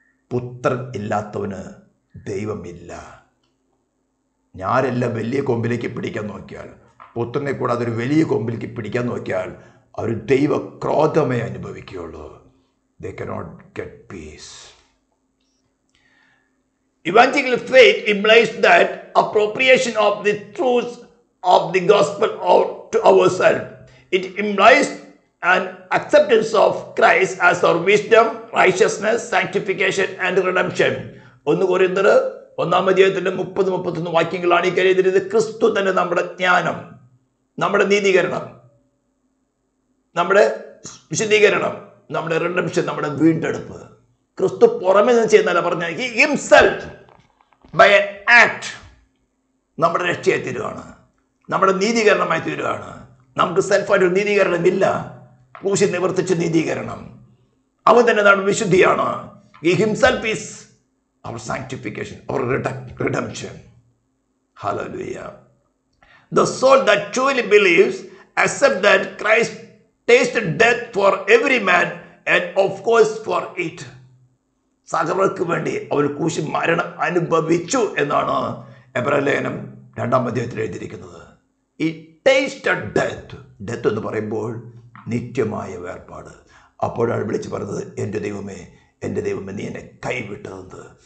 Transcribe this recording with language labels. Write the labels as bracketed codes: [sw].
[ml] പുത്രൻ ഇല്ലാത്തവന് ദൈവമില്ല. ഞാരെല്ലാം വലിയ കൊമ്പിലേക്ക് പിടിക്കാൻ നോക്കിയാൽ, പുത്രനെ കൂടാതെ ഒരു വലിയ കൊമ്പിലേക്ക് പിടിക്കാൻ നോക്കിയാൽ അവർ ദൈവ ക്രോധമേ അനുഭവിക്കുകയുള്ളൂ. [en] They cannot get peace. Evangelical faith implies that appropriation of the truths of the gospel to ourselves. It implies an acceptance of Christ as our wisdom, righteousness, sanctification and redemption. [ml] 1 Corinthians 1:30-31 വാക്യങ്ങളാണ് ഈ കരുതിയത്. ക്രിസ്തു തന്നെ നമ്മുടെ ജ്ഞാനം, നമ്മുടെ നീതീകരണം, നമ്മുടെ വിശുദ്ധീകരണം, നമ്മുടെ റിഡംപ്ഷൻ, നമ്മുടെ വീണ്ടെടുപ്പ്. ക്രിസ്തു പുറമേ നിന്ന് ചെയ്യുന്നല്ല പറഞ്ഞാൽ, [en] he himself by an act [ml] നമ്മുടെ രക്ഷയായി തീരുവാണ്, നമ്മുടെ നീതീകരണമായി തീരുവാണ്. നമുക്ക് സെൽഫായിട്ട് ഒരു നീതീകരണമില്ല, ക്രൂശിൽ നിവർത്തിച്ച നീതീകരണം. അവൻ തന്നെ നമ്മുടെ വിശുദ്ധിയാണ്. [en] He himself is our sanctification, our redemption. Hallelujah. The soul that truly believes accepts that Christ tasted death for every man and of course for it. [ml] സകലർക്കു വേണ്ടി അവൻ കൂശി മരണം അനുഭവിച്ചു എന്നാണ് എബ്രായ ലേഖനം രണ്ടാം അധ്യായത്തിൽ എഴുതിയിരിക്കുന്നത്. [en] He tasted death. [ml] ഡെത്ത് എന്ന് പറയുമ്പോൾ നിത്യമായ വേർപാട്. അപ്പോഴാണ് വിളിച്ച് പറഞ്ഞത്, എൻ്റെ ദൈവമേ എൻ്റെ ദൈവമേ നീ എന്നെ കൈവിട്ടതെന്ന്.